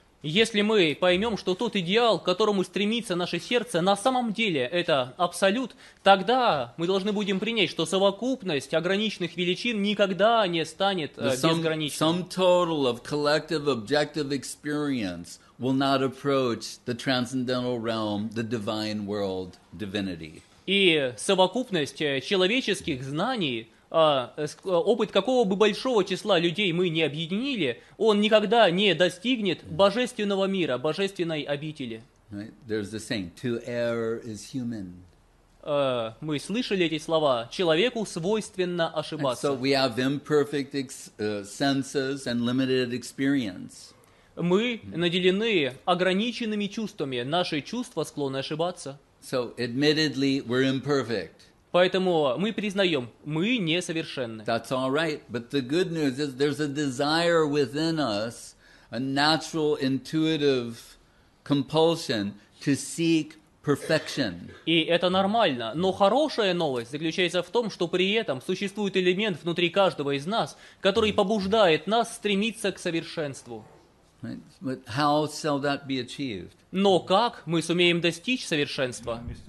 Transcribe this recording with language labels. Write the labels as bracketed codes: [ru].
[ru] Если мы поймем, что тот идеал, к которому стремится наше сердце, на самом деле это абсолют, тогда мы должны будем принять, что совокупность ограниченных величин никогда не станет безграничной. [en] Some total of collective objective experience will not approach the transcendental realm, the divine world, divinity. [ru] И совокупность человеческих знаний, опыт какого бы большого числа людей мы не объединили, он никогда не достигнет божественного мира, божественной обители. [en] There's the saying, to err is human. [ru] Мы слышали эти слова: человеку свойственно ошибаться. [en] So we have imperfect senses and limited experience. [ru] Мы наделены ограниченными чувствами, наши чувства склонны ошибаться. [en] So admittedly, we're imperfect. [ru] Поэтому мы признаем, мы несовершенны. [en] That's all right. But the good news is there's a desire within us, a natural intuitive compulsion to seek perfection. [ru] И это нормально. Но хорошая новость заключается в том, что при этом существует элемент внутри каждого из нас, который побуждает нас стремиться к совершенству. [en] But how shall that be achieved? [ru] Но как мы сумеем достичь совершенства?